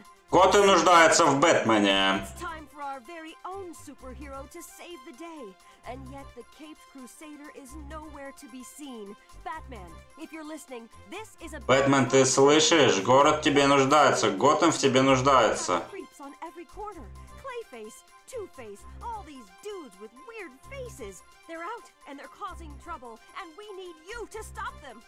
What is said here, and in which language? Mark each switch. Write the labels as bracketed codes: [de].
[ru] Готэм нуждается в Бэтмене. [en] Our very own superhero to save the day, and yet the Caped Crusader is nowhere to be seen. Batman, if you're listening, this is a Batman, [ru] ты слышишь? Город тебе нуждается, Готэм в тебе нуждается. [en] Creeps on every corner. Clayface, Two-Face, all these dudes with weird faces. They're out and they're causing trouble, and we need you to stop them.